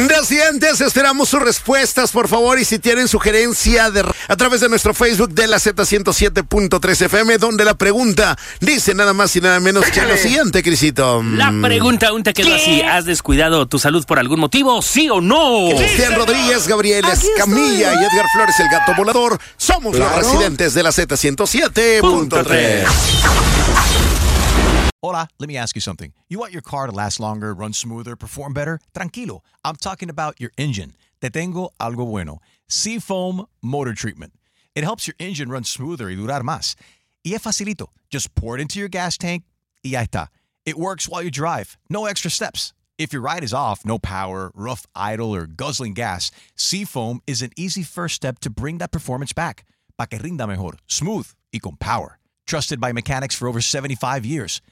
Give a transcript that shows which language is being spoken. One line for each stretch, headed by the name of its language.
Spanish: Residentes, esperamos sus respuestas, por favor, y si tienen sugerencia a través de nuestro Facebook de la Z107.3 FM, donde la pregunta dice nada más y nada menos que lo siguiente, Crisito. La pregunta aún te quedó así: ¿has descuidado tu salud por algún motivo? ¿Sí o no? Rodríguez, Gabriel Escamilla y Edgar Flores, el Gato Volador. Somos los residentes de la Z107.3.
English: Hola, let me ask you something. You want your car to last longer, run smoother, perform better? Tranquilo, I'm talking about your engine.
Spanish: Te tengo algo bueno. Seafoam Motor Treatment.
English: It helps your engine run smoother
Spanish: y durar más. Y es facilito.
English: Just pour it into your gas tank
Spanish: y ya está.
English: It works while you drive. No extra steps. If your ride is off, no power, rough idle, or guzzling gas, Seafoam is an easy first step to bring that performance back.
Spanish: Pa que rinda mejor, smooth, y con power.
English: Trusted by mechanics for over 75 years.